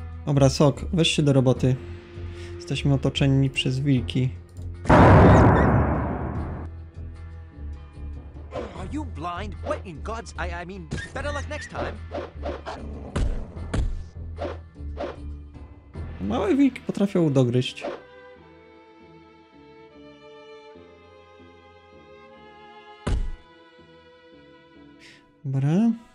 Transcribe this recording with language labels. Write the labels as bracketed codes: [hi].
[pl] Dobra, Sok, weź się do roboty. Jesteśmy otoczeni przez wilki. [en] Are you blind? What in God's I mean, better luck next time. [pl] Małe wilki potrafią dogryźć. Dobra.